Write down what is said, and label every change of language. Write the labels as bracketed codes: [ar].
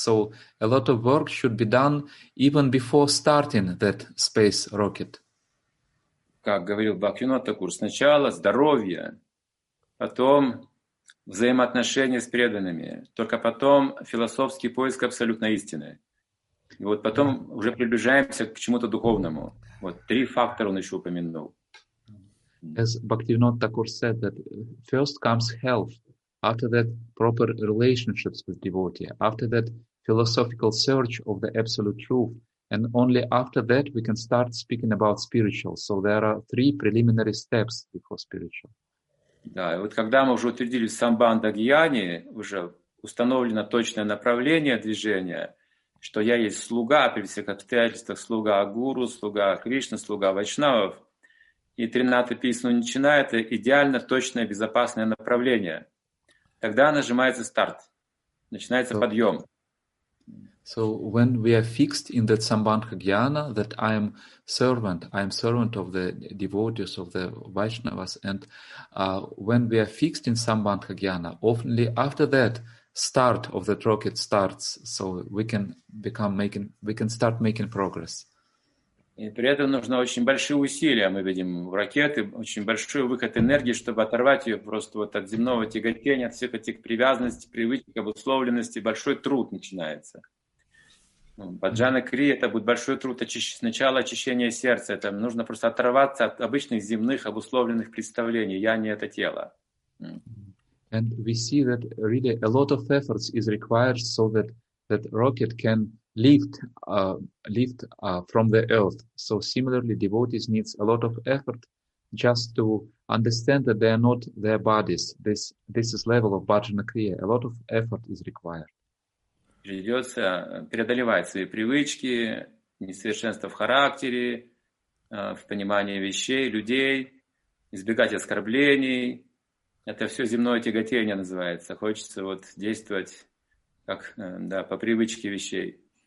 [en] So a lot of work should be done even before starting that space rocket. [ru] Как говорил Бхактивинода Тхакур, сначала здоровье, потом взаимоотношения с преданными, только потом философский поиск абсолютной истины. И вот потом уже приближаемся к чему-то духовному. Вот три фактора он еще упомянул. [en] As Bhaktivinoda Thakur said, that first comes health, after that proper relationships with devotee, after that philosophical search of the absolute truth, and only after that we can start speaking about spiritual. So there are three preliminary steps before spiritual. [ru] Да, и вот когда мы уже утвердили в Самбанда Гьяни, уже установлено точное направление движения, что я есть слуга при всех обстоятельствах, слуга Гуру, слуга Кришна, слуга Вайшнавов, и 13 письмо начинает идеально точное безопасное направление. Тогда нажимается старт, начинается подъем. [en] So when we are fixed in that Sambandha Jnana, that I am servant of the devotees, of the Vaishnavas, and when we are fixed in Sambandha Jnana, only after that start of the rocket starts, so we can start making progress. [ru] И при этом нужно очень большие усилия, мы видим, в ракеты, очень большой выход энергии, чтобы оторвать ее просто вот от земного тяготения, от всех этих привязанностей, привычек, обусловленностей, большой труд начинается. Баджана Кри, это будет большой труд, сначала очищение сердца, это нужно просто оторваться от обычных земных обусловленных представлений, я не это тело. [en] And we see that really a lot of efforts is required so that that rocket can lift from the earth. So similarly, devotees needs a lot of effort just to understand that they are not their bodies. This is level of Bhajana Kriya. A lot of effort is required. [ru] Придется преодолевать свои привычки, несовершенства в характере, в понимании вещей, людей, избегать оскорблений. Это все земное тяготение называется. Хочется вот действовать как, да, по привычке вещей.